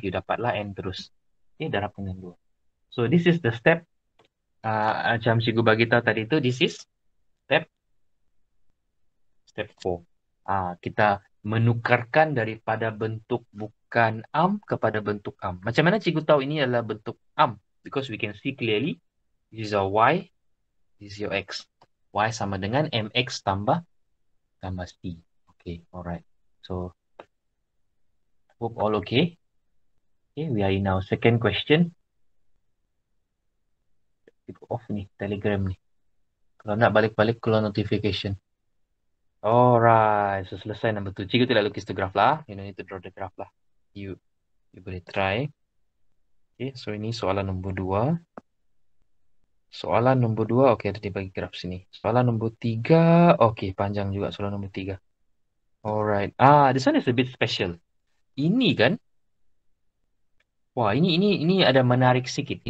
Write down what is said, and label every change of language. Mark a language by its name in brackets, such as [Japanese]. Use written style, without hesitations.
[English] You [Malay] dapat lah N terus. [English] Okay, [Malay] darab dengan 2. [English] So, this is the step. [Malay] Macam cikgu bagitahu tadi tu, [English] this is step 4. [Malay] Kita menukarkan daripada bentuk bukan am kepada bentuk am. Macam mana cikgu tahu ini adalah bentuk am? [English] Because we can see clearly, this is our y, this is your x. [Malay] Y sama dengan mx tambah c. [English] Okay, alright. So, hope all okay. Okay, we are in our second question. Keep off [Malay] ni, telegram ni. Kalau nak balik-balik, keluar notification. Alright, so selesai nombor 2. Cikgu tidak lukis tu graf lah. [English] You don't need to draw the graph lah. [Malay] You boleh try. Okay, so ini soalan nombor 2. Soalan nombor 2, okay, ada dibagi graf sini. Soalan nombor 3, okay, panjang juga soalan nombor 3. [English] Alright, this one is a bit special. [Malay] Ini kan? Wah, ini ada menarik sikit.